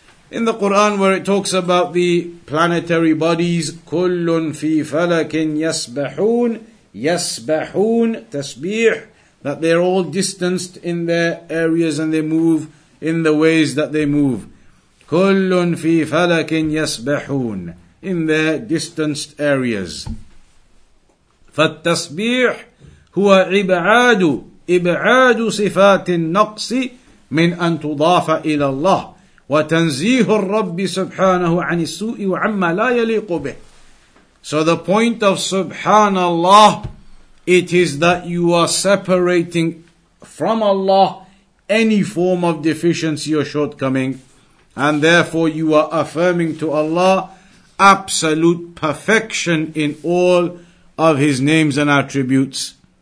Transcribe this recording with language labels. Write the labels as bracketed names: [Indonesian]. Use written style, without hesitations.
[English] In the Quran, where it talks about the planetary bodies, [Arabic] كُلٌّ فِي فَلَكٍ يَسْبَحُونَ يَسْبَحُونَ تَسْبِيح, [English] that they're all distanced in their areas and they move in the ways that they move. [Arabic] كُلٌّ فِي فَلَكٍ يَسْبَحُونَ, [English] in their distanced areas. [Arabic] فالتسبيح هو إبعاد إبعاد صفات النقص من أن تضاف إلى الله وتنزيه الرب سبحانه عن السوء وعما لا يليق به. [English] So the point of subhanallah, it is that you are separating from Allah any form of deficiency or shortcoming, and therefore you are affirming to Allah absolute perfection in all of his names and attributes.